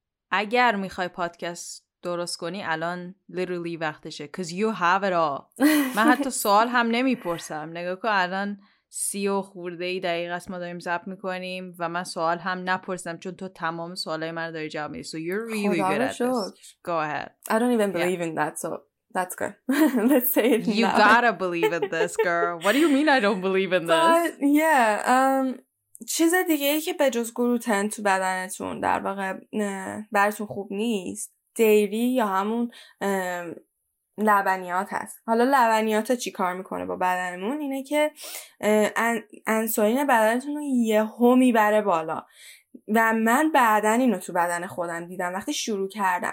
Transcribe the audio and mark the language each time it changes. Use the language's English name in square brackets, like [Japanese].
[Persian] اگر میخوای پادکست درست کنی الان literally وقتشه. [English] Because you have it all. [Persian] من حتی سوال هم نمیپرسم. نگاه کن الان 30 دقیقه است ما داریم ضبط میکنیم و من سوال هم نپرسم چون تو تمام سوالای من رو داری جواب میدی. [English] So you're really good at this. Go ahead. I don't even believe in that, so that's good. Let's say it you now. Gotta believe in this, girl. What do you mean I don't believe in this? But, yeah, [Persian] چیز دیگه ای که به جز گلوتن تو بدنتون در واقع براتون خوب نیست دیری یا همون لبنیات هست. حالا لبنیات چی کار میکنه با بدنمون؟ اینه که انسولین بدنتون رو یه همی بره بالا و من بعدن اینو تو بدن خودم دیدم وقتی شروع کردم.